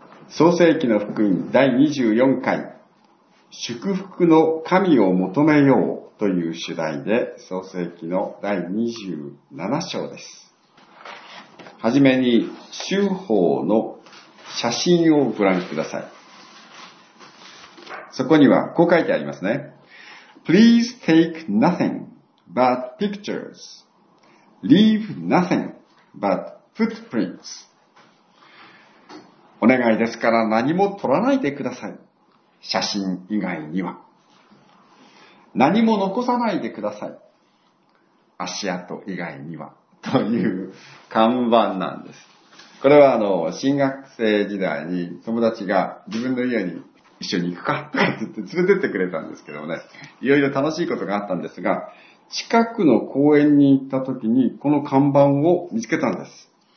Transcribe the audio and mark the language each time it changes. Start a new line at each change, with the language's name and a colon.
Japanese: 創世記の福音第24回祝福の神を求めようという主題で創世記の第27章です。はじめに修法の写真をご覧ください。そこにはこう書いてありますね。
English: Please take nothing but pictures. Leave nothing but footprints.
Japanese: お願いですから何も撮らないでください。写真以外には何も残さないでください。足跡以外にはという看板なんです。これは新学生時代に友達が自分の家に一緒に行くかとか言って連れてってくれたんですけどね、いろいろ楽しいことがあったんですが、近くの公園に行った時にこの看板を見つけたんです。